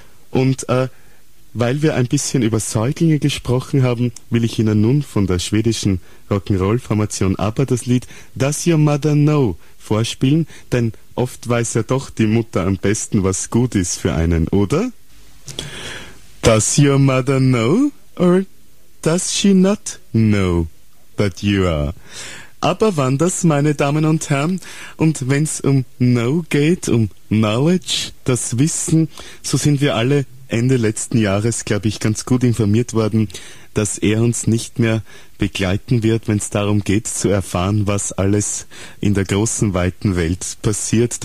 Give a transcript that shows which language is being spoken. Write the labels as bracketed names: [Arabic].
[German] Und weil wir ein bisschen über Säuglinge gesprochen haben, will ich Ihnen nun von der schwedischen Rock'n'Roll-Formation ABBA das Lied Does Your Mother Know vorspielen, denn oft weiß ja doch die Mutter am besten, was gut ist für einen, oder? [English] Does your mother know or does she not know that you are? [German] Aber wann das, meine Damen und Herren? Und wenn es um Know geht, um Knowledge, das Wissen, so sind wir alle Ende letzten Jahres, glaube ich, ganz gut informiert worden, dass er uns nicht mehr begleiten wird, wenn es darum geht, zu erfahren, was alles in der großen, weiten Welt passiert.